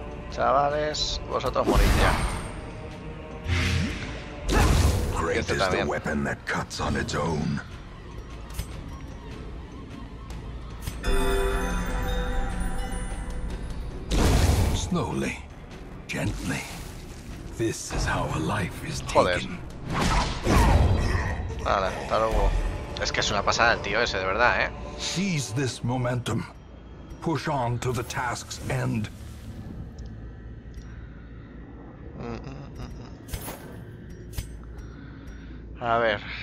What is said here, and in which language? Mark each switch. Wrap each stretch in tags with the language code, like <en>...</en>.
<es>Chavales, vosotros morís ya.</es> <en>Great is the weapon that cuts on its own. Slowly, gently. This is how a life is taken.</en> <es>Joder. Vale, hasta luego. Es que es una pasada el tío ese, de verdad, ¿eh?</es> <en>Seize this momentum. Push on to the task's end.</en> <es>A ver.</es>